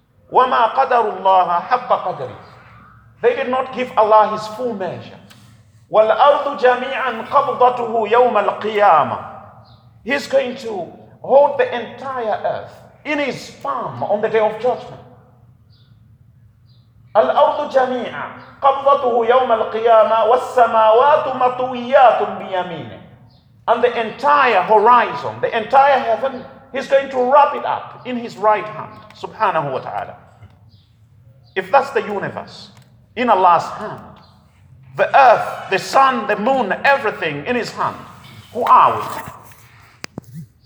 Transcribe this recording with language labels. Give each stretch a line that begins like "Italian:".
Arabic: وَمَا قَدَرُ اللَّهَ حَبَّ قَدْرِهِ.
English: They did not give Allah his full measure.
Arabic: وَالْأَرْضُ جَمِيعًا قَبْضَتُهُ يَوْمَ الْقِيَامَةِ.
English: He's going to hold the entire earth in his palm on the day of judgment.
Arabic: الأرض جميعا قبضته يوم القيامة والسماوات مطويات بيمينه.
English: And the entire horizon, the entire heaven, he's going to wrap it up in his right hand, subhanahu wa ta'ala. If that's the universe, in Allah's hand, the earth, the sun, the moon, everything in his hand, who are we?